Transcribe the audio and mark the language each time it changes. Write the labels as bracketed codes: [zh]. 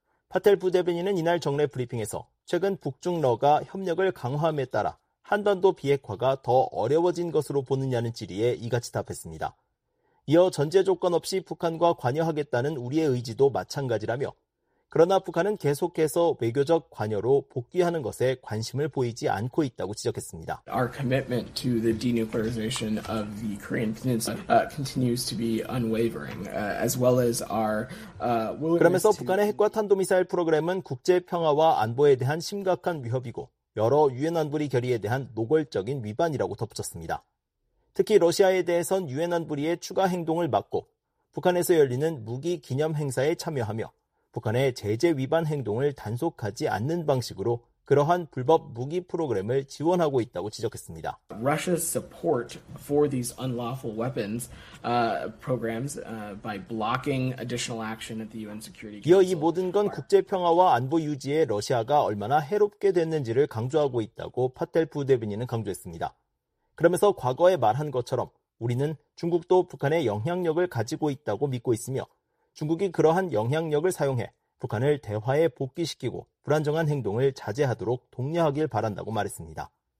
[ko] 파텔 부대변인은 이날 정례 브리핑에서 최근 북중러가 협력을 강화함에 따라 한반도 비핵화가 더 어려워진 것으로 보느냐는 질의에 이같이 답했습니다. 이어 전제 조건 없이 북한과 관여하겠다는 우리의 의지도 마찬가지라며 그러나 북한은 계속해서 외교적 관여로 복귀하는 것에 관심을 보이지 않고 있다고 지적했습니다. [en] Our commitment to the denuclearization of the Korean Peninsula continues to be unwavering, as well as our willingness. [ko] 그러면서 북한의 핵과 탄도미사일 프로그램은 국제 평화와 안보에 대한 심각한 위협이고 여러 유엔 안보리 결의에 대한 노골적인 위반이라고 덧붙였습니다. 특히 러시아에 대해선 유엔 안보리의 추가 행동을 막고 북한에서 열리는 무기 기념 행사에 참여하며 북한의 제재 위반 행동을 단속하지 않는 방식으로 그러한 불법 무기 프로그램을 지원하고 있다고 지적했습니다. [en] Russia's support for these unlawful weapons programs by blocking additional action at the UN Security Council. [ko] 이어 이 모든 건 국제 평화와 안보 유지에 러시아가 얼마나 해롭게 됐는지를 강조하고 있다고 파텔 부대변인은 강조했습니다. 그러면서 과거에 말한 것처럼 우리는 중국도 북한의 영향력을 가지고 있다고 믿고 있으며 중국이 그러한 영향력을 사용해 북한을 대화에 복귀시키고 불안정한 행동을 자제하도록 독려하길 바란다고 말했습니다.